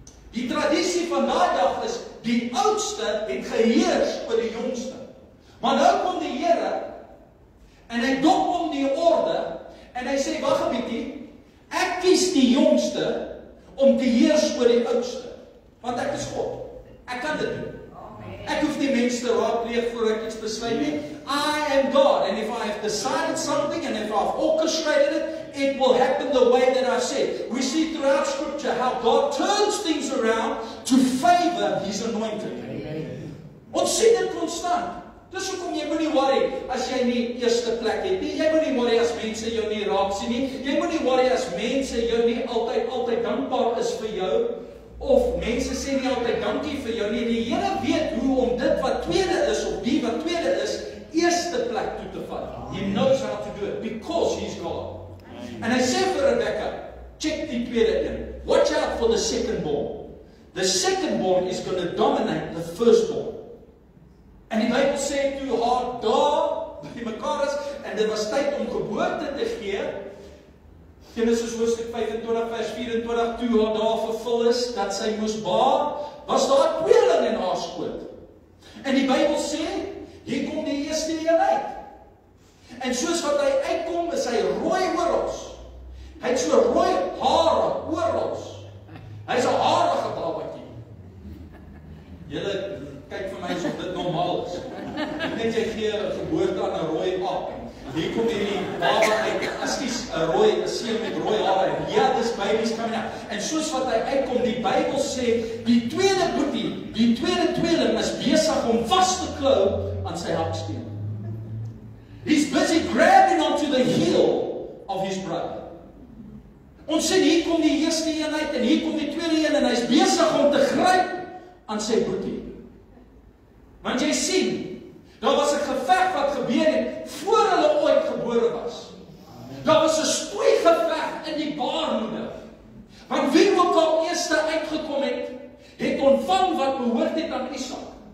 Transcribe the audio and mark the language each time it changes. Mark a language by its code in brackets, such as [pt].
[af] Die tradisie van daai dag is die oudste het geheers oor die jongste. Maar nou kom die Here en hy dop om die orde en hy sê wag 'n bietjie. Ek kies die jongste om te heers oor die oudste. Want ek is God. Ek kan dit doen. Ek hoef nie mens te raadpleeg voor ek iets besluit nie. [en] I am God. And if I have decided something and if I've orchestrated it, it will happen the way that I said. We see throughout scripture how God turns things around to favor his anointed. [af] Ons sien dit konstant. Dis hoekom jy moenie worry as jy nie eerste plek het nie. Jy moenie worry as mense jou nie raak sien nie. Jy moenie worry as mense jou nie altyd dankbaar is vir jou. Of mense sê nie altyd dankie vir jou nie. Die Here weet hoe om dit wat tweede is of die wat tweede is, eerste plek toe te vat. [en] He knows how to do it because he's God. [af] En hy sê vir Rebecca, check die tweede in. [en] Watch out for the second born. The second born is going to dominate the first born. [af] En die Bybel sê toe haar daar by mekaar is, en dit was tyd om geboorte te gee, Genesis hoofstuk 25 vers 24, toe haar daar vervul is, dat sy moes baar, was daar tweeling in haar skoot. En die Bybel sê, hier kom die eerste een uit. En soos wat hy uitkom, is hy rooi oorals. Hy het so rooi hare oorals. Hy is 'n harige babatjie. Julle kyk vir my asof dit normaal is. Net jy gee 'n geboorte aan 'n rooi aap. Hier kom hierdie baba uit. Askies, 'n rooi seun met rooi hare. Ja, dis [en] babies coming out. [af] En soos wat hy uitkom, die Bybel sê, die tweede boetie, die tweede tweeling is besig om vas te klou aan sy haksteen. [en] He's busy grabbing onto the heel of his brother. [af] Ons sien hier kom die eerste een uit en hier kom die tweede een en hy's besig om te gryp aan sy boetie. Want jy sien, daar was 'n geveg wat gebeur het voor hulle ooit gebore was. Daar was 'n spoeie geveg in die baarmoeder. Want wie ook al eerste uitgekom het, het ontvang wat behoort het aan Isak.